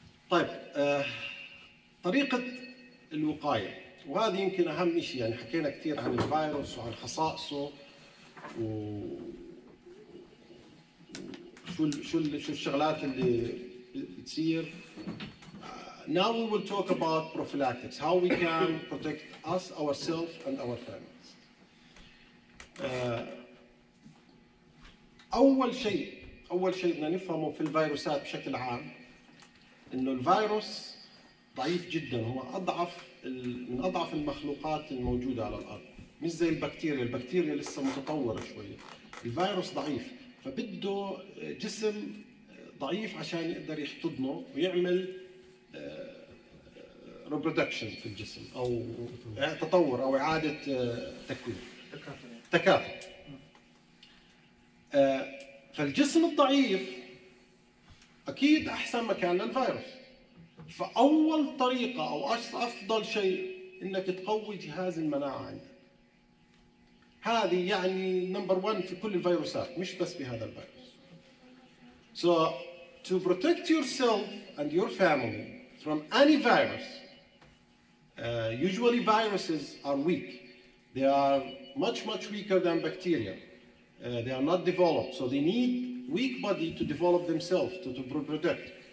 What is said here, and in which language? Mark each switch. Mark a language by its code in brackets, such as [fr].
[ar] طيب طريقه الوقاية، وهذه يمكن أهم شيء، يعني حكينا كثير عن الفيروس وعن خصائصه وشو الشغلات اللي بتصير. [en] Now we will talk about prophylactics, how we can protect us, ourselves and our families. [ar] أول شيء بدنا نفهمه في الفيروسات بشكل عام إنه الفيروس ضعيف جدا، هو من أضعف المخلوقات الموجودة على الأرض، مش زي البكتيريا لسه متطورة شوية. الفيروس ضعيف، فبده جسم ضعيف عشان يقدر يحتضنه ويعمل ريبرودكشن في الجسم أو تطور أو إعادة تكوين، تكاثر. فالجسم الضعيف أكيد أحسن مكان للفيروس. فأول طريقة أو أفضل شيء إنك تقوي جهاز المناعة عندك. هذه يعني نمبر 1 في كل الفيروسات، مش بس بهذا الفيروس. [en] So to protect yourself and your family from any virus, usually viruses are weak. They are much weaker than bacteria. They are not developed, so they need weak body to develop themselves to protect.